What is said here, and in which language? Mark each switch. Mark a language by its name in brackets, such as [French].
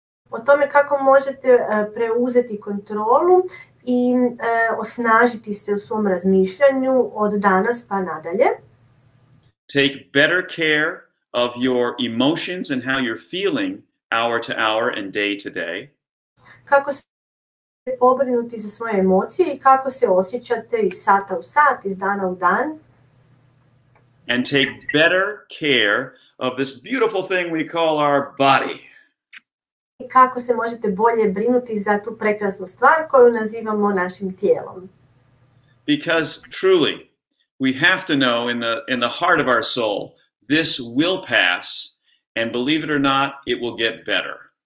[Croatian] O tome kako možete preuzeti kontrolu i osnažiti se u svom razmišljanju od danas pa nadalje. [English] Take better care of your emotions and how you're feeling hour to hour and day to day. [Croatian] Kako se pobrinuti za svoje emocije i kako se osjećate iz sata u sat, iz dana u dan. [English] And take better care of this beautiful thing we call our body. [Croatian] Kako se možete bolje brinuti za tu prekrasnu stvar koju nazivamo našim tijelom. [English] Because truly, we have to know in the heart of our soul, this will pass, and believe it or not, it will get better.